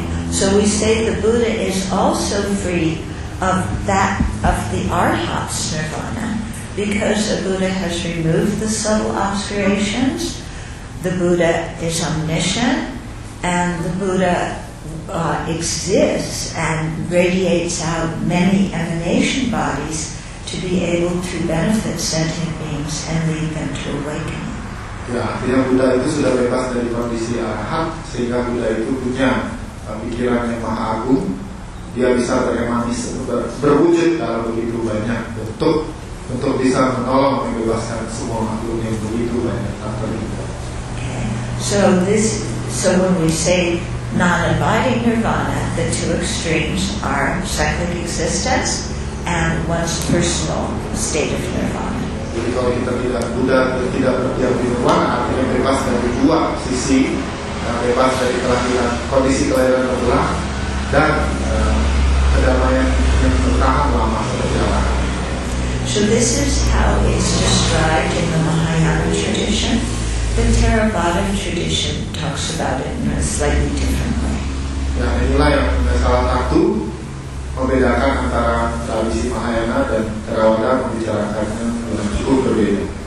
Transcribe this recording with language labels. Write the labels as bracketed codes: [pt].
[en] So we say the Buddha is also free of that of the arhat's nirvana because the Buddha has removed the subtle obscurations. The Buddha is omniscient, and the Buddha exists and radiates out many emanation bodies to be able to benefit sentient beings and lead them to awakening. [id] Ya, artinya Buddha itu sudah bebas dari kondisi arahat, sehingga Buddha itu punya pikiran yang maha agung. Dia bisa teremanis berwujud dalam begitu banyak bentuk untuk bisa menolong membebaskan semua makhluk yang begitu banyak tanpa itu. [en] So when we say non-abiding nirvana, the two extremes are cyclic existence and one's personal state of nirvana. [id] Jadi kalau kita tidak Buddha tidak berdiam di nirvana, artinya bebas dari dua sisi, bebas dari kelahiran, kondisi kelahiran berulang dan kedamaian yang bertahan lama berjalan. [en] So this is how it's described in the Mahayana tradition. The Theravada tradition talks about it in a slightly different way. [id] Nah, inilah yang salah satu membedakan antara tradisi Mahayana dan Theravada membicarakannya dengan cukup berbeda.